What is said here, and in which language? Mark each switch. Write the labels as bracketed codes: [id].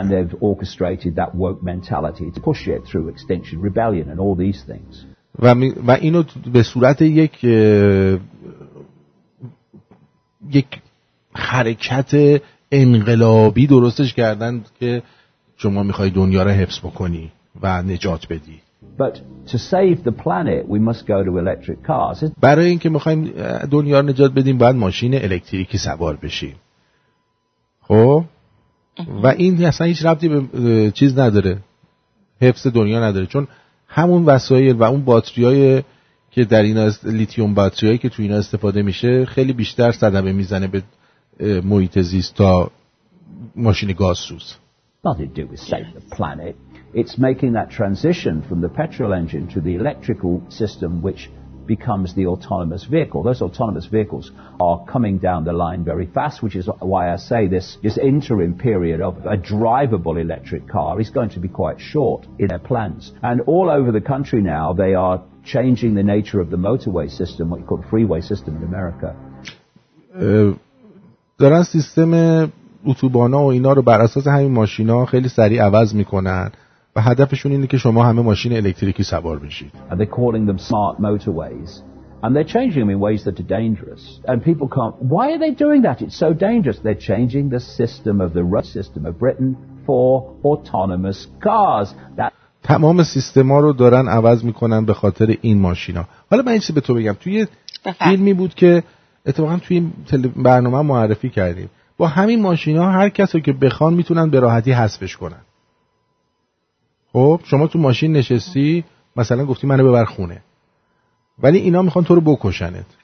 [en] And they've orchestrated that woke mentality to push it through extinction rebellion and all these things. [fa] و اینو به صورت یک حرکت انقلابی درستش کردن که شما میخوای دنیا رو حفظ بکنی و نجات بدی. [en] But to save the planet we must go to electric cars. [fa] برای اینکه میخوایم دنیا رو نجات بدیم باید ماشین الکتریکی سوار بشیم. خب و این اصلا هیچ ربطی به چیز نداره. حفظ دنیا نداره چون همون وسایل و اون باتری‌های که در اینا لیتیوم باتری‌ای که تو اینا استفاده میشه خیلی بیشتر صدمه میزنه به محیط زیست تا ماشین گازسوز. [en] Nothing to do with save the planet. It's making that transition from the petrol engine to the electrical system which becomes the autonomous vehicle. Those autonomous vehicles are coming down the line very fast, which is why I say this interim period of a drivable electric car is going to be quite short in their plans. And all over the country now, they are changing the nature of the motorway system, what you call the freeway system in America. [fa] دارن سیستم اتوبانا و اینا رو بر اساس همین ماشینا خیلی سریع عوض میکنن و هدفشون اینه که شما همه ماشین الکتریکی سوار بشید. [en] And they're calling them smart motorways and they're changing them in ways that are dangerous and people can't, why are they doing that? It's so dangerous. They're changing the system of the road system of Britain for autonomous cars. That [fa] تمام سیستما رو دارن عوض میکنن به خاطر این ماشینا. حالا من چیزی به تو بگم، توی فیلمی بود که اتفاقا توی برنامه معرفی کردیم، با همین ماشینا هر کسی که بخوان میتونن به راحتی حذفش کنن. خب شما تو ماشین نشستی مثلا گفتی منو ببر خونه، ولی اینا میخوان تو رو بکشنت.